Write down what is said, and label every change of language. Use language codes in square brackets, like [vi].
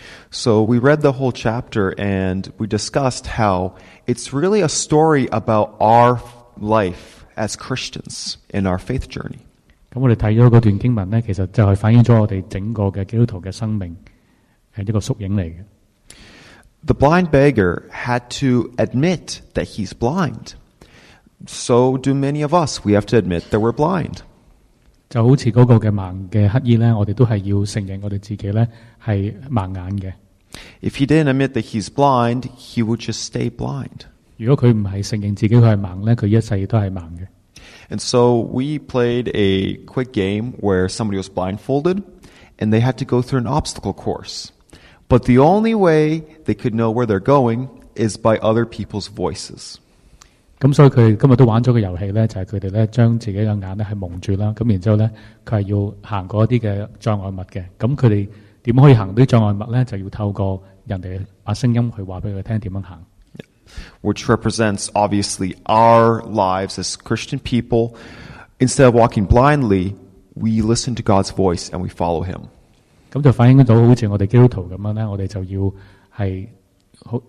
[en] So we read the whole chapter and we discussed how it's really a story about our life as Christians in our faith journey. [yue] 咁我哋睇咗嗰段经文咧，其实就系反映咗我哋整个嘅基督徒嘅生命。 [en] The blind beggar had to admit that he's blind. So do many of us. We have to admit that we're blind. [yue] 就好似嗰个嘅盲嘅乞衣咧，我哋都系要承认我哋自己咧系盲眼嘅。 [en] If he didn't admit that he's blind, he would just stay blind. [yue] 如果佢唔系承认自己佢系盲咧，佢一世都系盲嘅。 [en] And so we played a quick game where somebody was blindfolded. And they had to go through an obstacle course. But the only way they could know where they're going is by other people's voices. [yue] 咁所以佢今日都玩咗个游戏咧，就系佢哋咧将自己嘅眼咧系蒙住啦。咁然之后咧，佢系要行过一啲嘅障碍物嘅。咁佢哋点可以行啲障碍物咧？就要透过人哋把声音去话俾佢听点样行。 [en] Which represents obviously our lives as Christian people. Instead of walking blindly. We listen to God's voice and we follow Him. [yue] 咁就反映到好似我哋基督徒咁样咧，我哋就要系好。